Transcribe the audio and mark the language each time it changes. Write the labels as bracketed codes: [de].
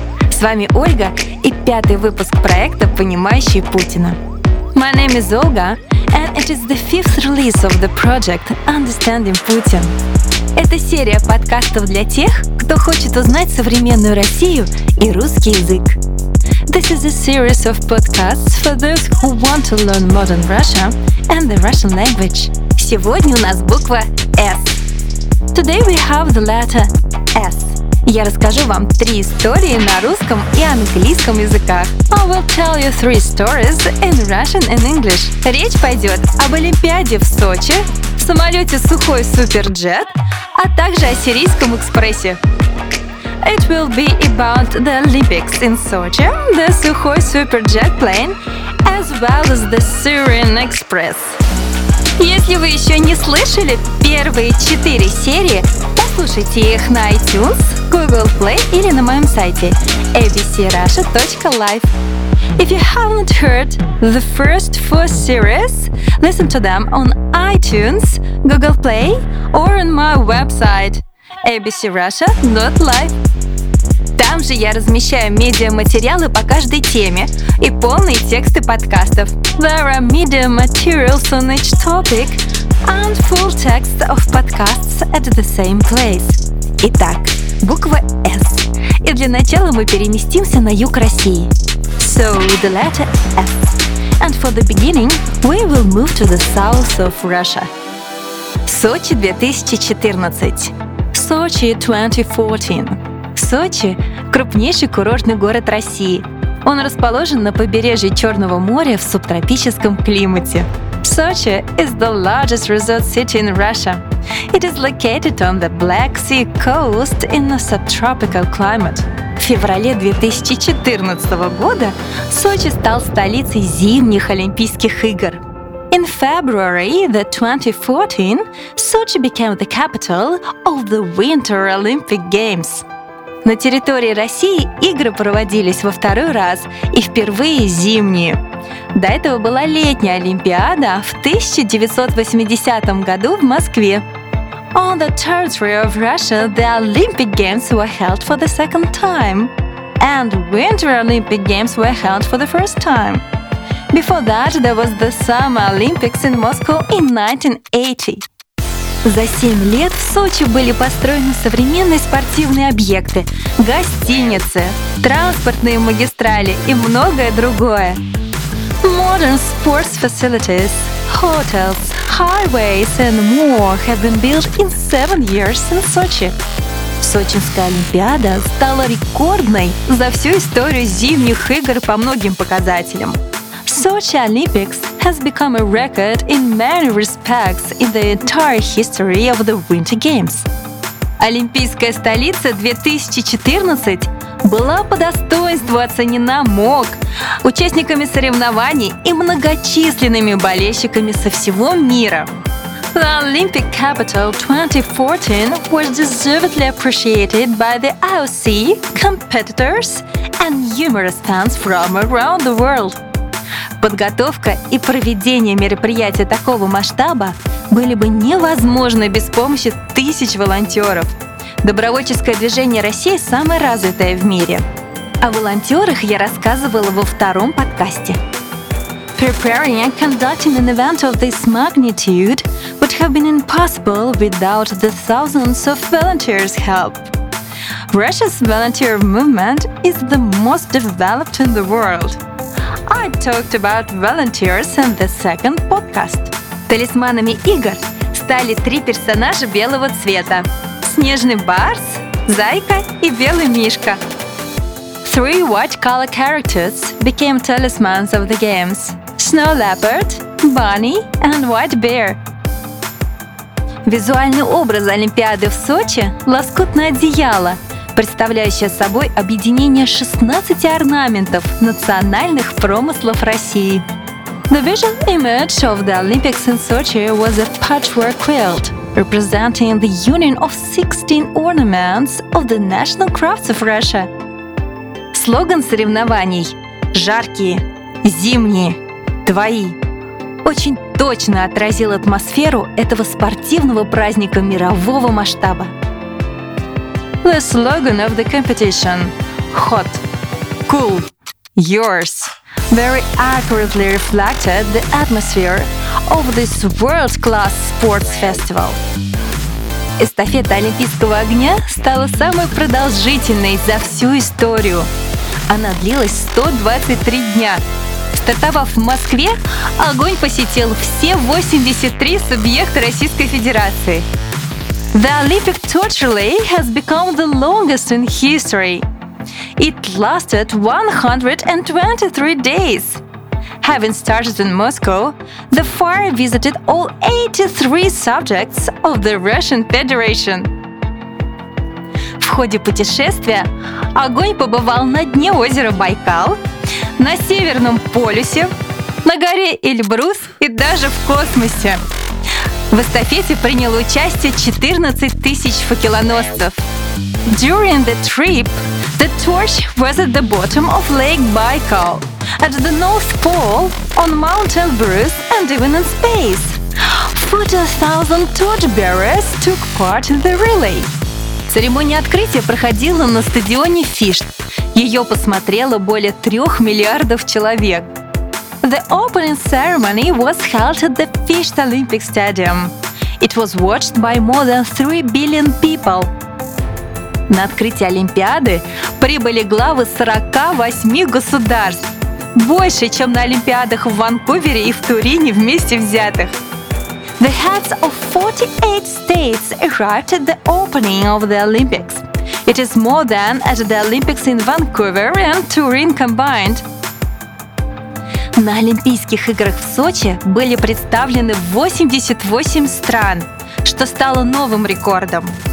[ru] С вами Ольга и пятый выпуск проекта «Понимающие Путина». [en] My name is Olga, and it is the fifth release of the project «Understanding Putin». [ru] Это серия подкастов для тех, кто хочет узнать современную Россию и русский язык. [en] This is a series of podcasts for those who want to learn modern Russia and the Russian language. [ru] Сегодня у нас буква S. [en] Today we have the letter S. [ru] Я расскажу вам три истории на русском и английском языках. [en] I will tell you three stories in Russian and English. [ru] Речь пойдет об Олимпиаде в Сочи, самолете сухой суперджет, а также о сирийском экспрессе. [en] It will be about the Olympics in Sochi, the Sukhoi Superjet plane, as well as the Syrian Express. [ru] Если вы еще не слышали первые четыре серии, послушайте их на iTunes, Google Play или на моем сайте abcrussia.live. [en] If you haven't heard the first four series, listen to them on iTunes, Google Play or on my website abcrussia.live. [ru] Там же я размещаю медиа-материалы по каждой теме и полные тексты подкастов. [en] There are media materials on each topic and full text of podcasts at the same place. [ru] Итак, буква S. И для начала мы переместимся на юг России. [en] So, the letter S. And for the beginning, we will move to the south of Russia. [ru] Сочи 2014. Сочи 2014. Сочи – крупнейший курортный город России. Он расположен на побережье Черного моря в субтропическом климате. [en] Sochi is the largest resort city in Russia. It is located on the Black Sea coast in a subtropical climate. [ru] В феврале 2014 года Сочи стал столицей зимних Олимпийских игр. [en] In February the 2014, Sochi became the capital of the Winter Olympic Games. [ru] На территории России игры проводились во второй раз и впервые зимние. До этого была летняя Олимпиада в 1980 году в Москве. [en] On the territory of Russia, the Olympic Games were held for the second time. And Winter Olympic Games were held for the first time. Before that, there was the Summer Olympics in Moscow in 1980. [ru] За 7 лет в Сочи были построены современные спортивные объекты, гостиницы, транспортные магистрали и многое другое. [en] Modern sports facilities, hotels, highways and more have been built in 7 years in Sochi. [ru] Сочинская Олимпиада стала рекордной за всю историю зимних игр по многим показателям. [en] Sochi Olympics has become a record in many respects in the entire history of the Winter Games. [ru] Олимпийская столица 2014 была по достоинству оценена МОК, участниками соревнований и многочисленными болельщиками со всего мира. [en] The Olympic Capital 2014 was deservedly appreciated by the IOC, competitors and numerous fans from around the world. [ru] Подготовка и проведение мероприятия такого масштаба были бы невозможны без помощи тысяч волонтеров. Добровольческое движение России самое развитое в мире. О волонтерах я рассказывала во втором подкасте. [en] Preparing and conducting an event of this magnitude would have been impossible without the thousands of volunteers' help. Russia's volunteer movement is the most developed in the world. I talked about volunteers in the second podcast. [ru] Талисманами игр стали три персонажа белого цвета: снежный барс, зайка и белый мишка. [en] Three white color characters became talismans of the games: snow leopard, bunny and white bear. [ru] Визуальный образ Олимпиады в Сочи – лоскутное одеяло, представляющая собой объединение 16 орнаментов национальных промыслов России. [en] The visual image of the Olympics in Sochi was a patchwork quilt, representing the union of 16 ornaments of the national crafts of Russia. [ru] Слоган соревнований – жаркие, зимние, твои. Очень точно отразил атмосферу этого спортивного праздника мирового масштаба. [en] The slogan of the competition – hot, cool, yours – very accurately reflected the atmosphere of this world-class sports festival. [ru] Эстафета Олимпийского огня стала самой продолжительной за всю историю. Она длилась 123 дня. Стартовав в Москве, огонь посетил все 83 субъекта Российской Федерации. [en] The Olympic torch relay has become the longest in history. It lasted 123 days. Having started in Moscow, the fire visited all 83 subjects of the Russian Federation. [ru] В ходе путешествия огонь побывал на дне озера Байкал, на Северном полюсе, на горе Эльбрус и даже в космосе. В эстафете приняло участие 14 тысяч факелоносцев. [en] During the trip, the torch was at the bottom of Lake Baikal, at the North Pole, on Mount Elbrus, and even in space. 40,000 torchbearers took part in the relay. [ru] Церемония открытия проходила на стадионе Фишт. Ее посмотрело более 3 миллиардов человек. [en] The opening ceremony was held at the Fisht Olympic Stadium. It was watched by more than 3 billion people. [ru] На открытие Олимпиады прибыли главы 48 государств. Больше, чем на Олимпиадах в Ванкувере и в Турине вместе взятых. [en] The heads of 48 states arrived at the opening of the Olympics. It is more than at the Olympics in Vancouver and Turin combined. [ru] На Олимпийских играх в Сочи были представлены 88 стран, что стало новым рекордом.